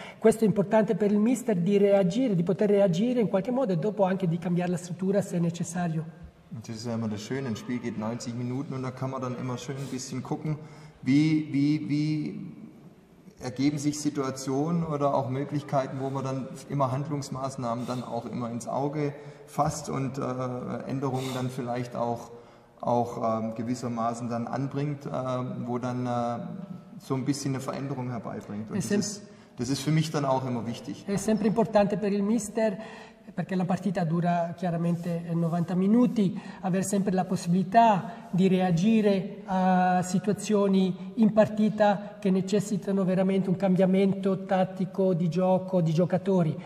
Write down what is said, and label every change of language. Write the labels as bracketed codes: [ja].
[it] Questo è importante per il mister di reagire, di poter reagire in qualche modo e dopo anche di cambiare la struttura se necessario. [de] Das ist ja immer das Schöne, ein Spiel geht 90 Minuten und da kann man dann immer schön ein bisschen gucken, wie ergeben sich Situationen oder auch Möglichkeiten, wo man dann immer Handlungsmaßnahmen dann auch immer ins Auge fasst und Änderungen dann vielleicht auch gewissermaßen dann anbringt, wo dann so ein bisschen eine Veränderung herbeibringt. Und das ist für mich dann auch immer wichtig. [it] È sempre importante per il mister. Perché la partita dura chiaramente 90 minuti, avere sempre la possibilità di reagire a situazioni in partita che necessitano veramente un cambiamento tattico di gioco, di giocatori.